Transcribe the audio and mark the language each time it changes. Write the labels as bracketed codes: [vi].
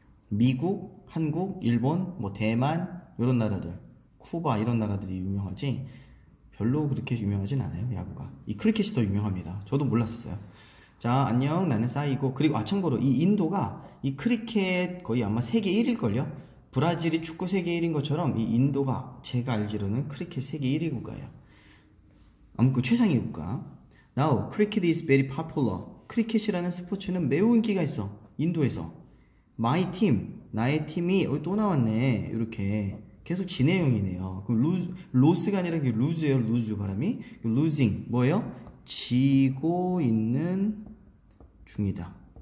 [ko] 미국, 한국, 일본, 뭐 대만 이런 나라들, 쿠바 이런 나라들이 유명하지 별로 그렇게 유명하진 않아요. 야구가. 이 크리켓이 더 유명합니다. 저도 몰랐었어요. 자, 안녕. 나는 싸이고 그리고 아 참고로 이 인도가 이 크리켓 거의 아마 세계 1위일걸요. 브라질이 축구 세계 1인 것처럼 이 인도가 제가 알기로는 크리켓 세계 1위 국가예요. 아무튼 최상위 국가. [en] Now, cricket is very popular. [ko] 크리켓이라는 스포츠는 매우 인기가 있어. 인도에서. [en] My team, [ko] 나의 팀이 또 나왔네. 이렇게 계속 진행형이네요. 그럼 로스가 아니라 루즈예요. 루즈 바람이. Losing 뭐예요? 지고 있는 중이다.